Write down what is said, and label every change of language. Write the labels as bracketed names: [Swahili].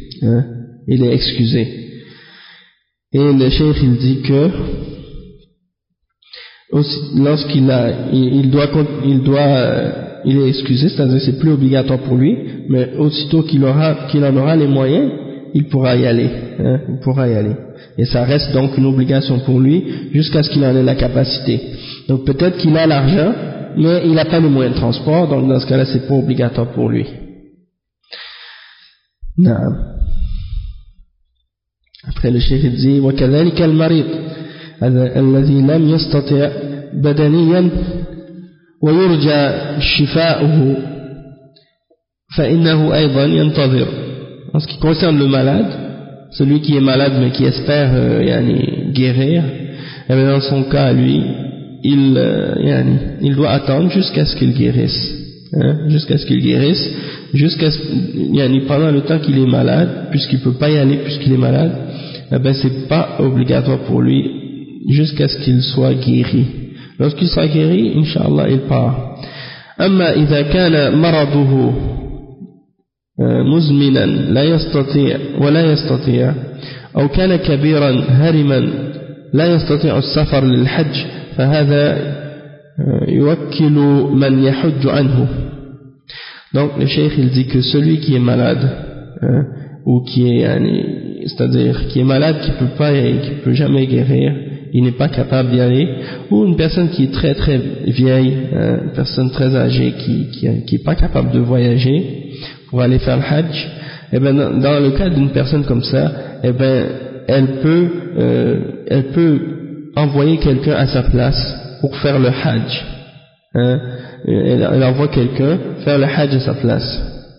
[French] Hein, il est excusé. Et le cheikh, il dit que aussi, lorsqu'il est excusé, c'est-à-dire c'est plus obligatoire pour lui, mais aussitôt qu'il en aura les moyens, il pourra y aller, hein, il pourra y aller. Et ça reste donc une obligation pour lui jusqu'à ce qu'il en ait la capacité. Donc peut-être qu'il a l'argent, mais il n'a pas les moyens de transport, donc dans ce cas-là, c'est pas obligatoire pour lui. Non. Après le cheikh dit, [Arabic] wa kadhalika al-marid الذي لم يستطع بدنيا ويرجى شفاؤه فإنه أيضا ينتظر. [French] En ce qui concerne le malade, celui qui est malade mais qui espère guérir, et bien dans son cas lui, il doit attendre jusqu'à ce qu'il guérisse, hein, pendant le temps qu'il est malade, puisqu'il peut pas y aller puisqu'il est malade, et bien c'est pas obligatoire pour lui jusqu'à ce qu'il soit guéri. Lorsqu'il sera guéri, inshallah, il part. [Arabic] أما إذا كان مرضه مزمنا لا يستطيع ولا يستطيع أو كان كبيرا هرما لا يستطيع السفر للحج فهذا يوكل من يحج عنه. [French] Donc le cheikh il dit que celui qui est malade, ou qui est qui peut jamais guérir, il n'est pas capable d'y aller, ou une personne qui est très très vieille, une personne très âgée qui n'est pas capable de voyager pour aller faire le hajj, et bien dans le cas d'une personne comme ça, et bien elle peut envoyer quelqu'un à sa place pour faire le hajj, hein, elle envoie quelqu'un faire le hajj à sa place.